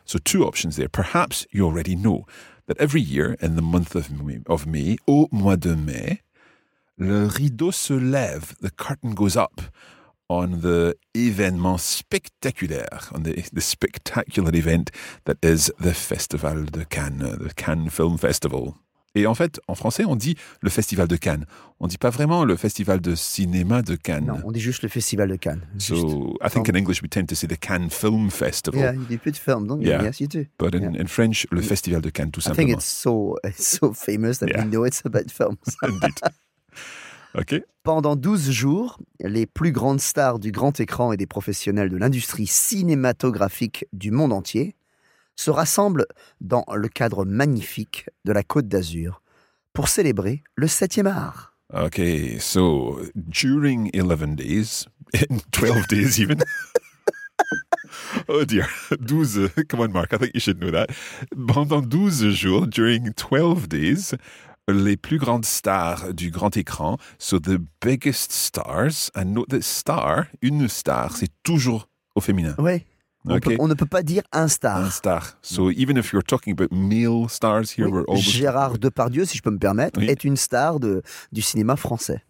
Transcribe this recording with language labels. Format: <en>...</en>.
<en>So two options there. Perhaps you already know that every year in the month of May,</en> <fr>au mois de mai, le rideau se lève,</fr> <en>the curtain goes up, on the</en> <fr>événement spectaculaire,</fr> <en>on the spectacular event that is the Festival de Cannes, the Cannes Film Festival.</en> <fr>Et en fait, en français, on dit le Festival de Cannes. On ne dit pas vraiment le Festival de cinéma de Cannes. Non, on dit juste le Festival de Cannes. Juste.</fr> <en>So, I think in English, we tend to say the Cannes Film Festival. Yeah, you do put film, don't you? Yeah. Yes, you do. But in French,</en> <fr>le Festival de Cannes, tout simplement.</fr> <en>I think it's so famous that we know it's about films. Indeed. Okay.</en> <fr>Pendant 12 jours, les plus grandes stars du grand écran et des professionnels de l'industrie cinématographique du monde entier se rassemblent dans le cadre magnifique de la Côte d'Azur pour célébrer le 7e art.</fr> <en>Ok, so, during 11 days, in 12 days even... Oh dear, 12, come on Mark, I think you should know that.</en> <fr>Pendant 12 jours,</fr> <en>during 12 days...</en> <fr>Les plus grandes stars du grand écran,</fr> <en>so the biggest stars, and note that star,</en> <fr>une star, c'est toujours au féminin. Oui, okay. On ne peut pas dire un star. Un star.</fr> <en>So even if you're talking about male stars here, we're always...</en> <fr>Gérard Depardieu, si je peux me permettre, est une star du cinéma français.</fr>